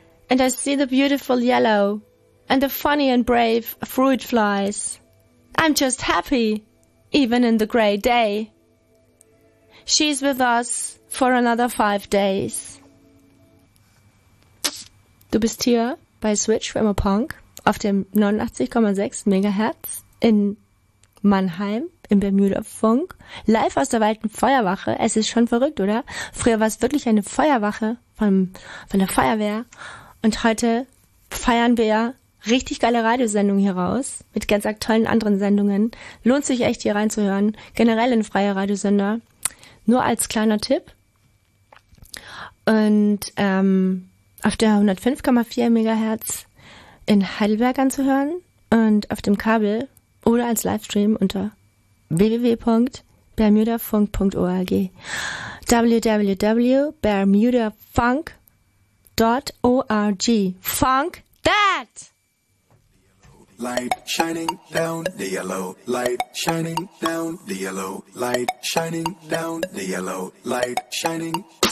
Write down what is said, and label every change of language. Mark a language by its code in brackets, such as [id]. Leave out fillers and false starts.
[en] And I see the beautiful yellow and the funny and brave fruit flies. I'm just happy, even in the gray day. She's with us for another 5 days. [de] Du bist hier bei Switch from a Punk auf dem 89,6 MHz in Mannheim. Im Bermuda-Funk, live aus der Walten Feuerwache. Es ist schon verrückt, oder? Früher war es wirklich eine Feuerwache von der Feuerwehr. Und heute feiern wir richtig geile Radiosendungen hier raus, mit ganz aktuellen anderen Sendungen. Lohnt sich echt, hier reinzuhören, generell in freie Radiosender. Nur als kleiner Tipp. Und auf der 105,4 MHz in Heidelberg anzuhören und auf dem Kabel oder als Livestream unter www.bermudafunk.org www.bermudafunk.org. [en] Funk that! Light shining down the yellow, light shining down the yellow, light shining down the yellow, light shining.